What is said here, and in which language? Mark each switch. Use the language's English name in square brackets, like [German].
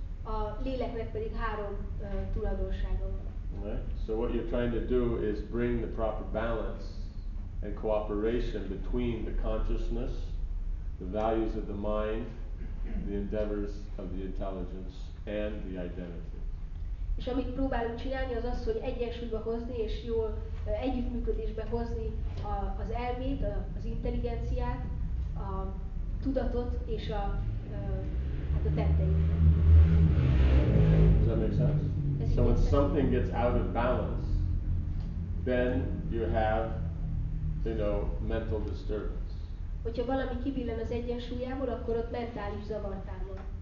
[Hungarian] A léleknek pedig három tulajdonsága van. [English] Right. So what you're trying to do is bring the proper balance and cooperation between the consciousness, the values of the mind, the endeavors of the intelligence, and the identity. [Hungarian] És amit próbálunk csinálni, az az, hogy egyensúlyba hozni és jól együttműködésbe hozni az elmét, az intelligenciát, a tudatot és a tetteinket. [English] Does that make sense? So when something gets out of balance, then you have, you know, mental disturbance. [Hungarian] Hogyha valami kibillen az egyensúlyából, akkor ott mentális zavar támad.